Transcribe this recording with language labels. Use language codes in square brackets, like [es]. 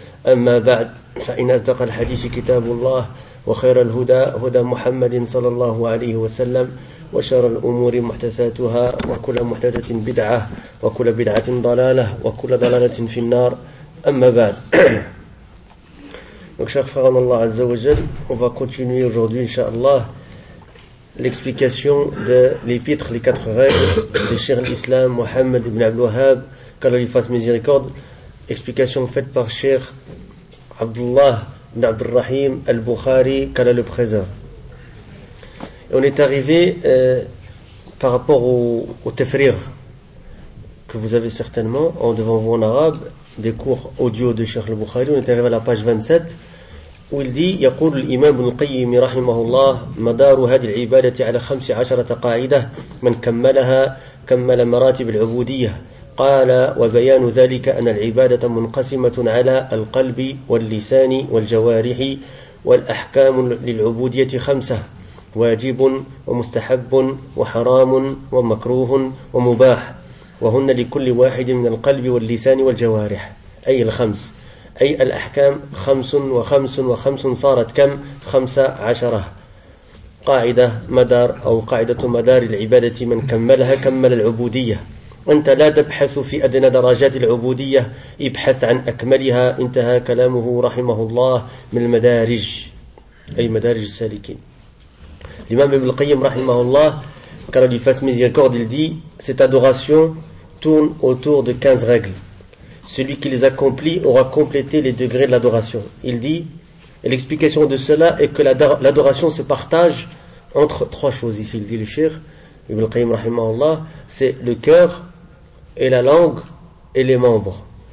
[ar] أما بعد، فإن أصدق الحديث كتاب الله، وخير الهدى هدى محمد صلى الله عليه وسلم، وشر الأمور محدثاتها، وكل محدثة بدعة، وكل بدعة ضلالة، وكل ضلالة في النار. أما بعد، شكرا الله عز وجل. [fr] On va continuer aujourd'hui, inshallah, l'explication de l'épître, les quatre règles, de Cheikh l'Islam Mohammed ibn Abdul Wahhab, qu'Allah lui fasse miséricorde. Explication faite par Cheikh Abdullah ibn Abd al-Rahim al-Bukhari, qu'Allah le préserve. On est arrivé par rapport au tafriq que vous avez certainement en devant vous en arabe, des cours audio de Cheikh al-Bukhari. [ar] On est arrivé à la page 27 où il dit « يقول الإمام القيم رحمه الله مدار هذه العبادة على 15 قاعدة من كملها كمل مراتب العبودية. قال وبيان ذلك أن العبادة منقسمة على القلب واللسان والجوارح، والأحكام للعبودية خمسة: واجب ومستحب وحرام ومكروه ومباح، وهن لكل واحد من القلب واللسان والجوارح، أي الخمس، أي الأحكام خمس وخمس وخمس، صارت كم؟ 15 قاعدة مدار، أو قاعدة مدار العبادة، من كملها كمل العبودية. أنت لا تبحث في أدنى درجات العبودية، ابحث عن أكملها. انتهى كلامه رحمه الله من المدارج، أي مدارج السالكين. [fr] الإمام ابن القيم رحمه الله قال لي فاس ميزيكورد لدي cette adoration tourne autour de 15 règles. Celui qui les accomplit aura complété les degrés de l'adoration. Il dit, et l'explication de cela est que l'adoration se partage entre trois choses. Ici il dit le cheikh Ibn al-Qayyim rahimahullah, c'est le cœur et la langue et les membres.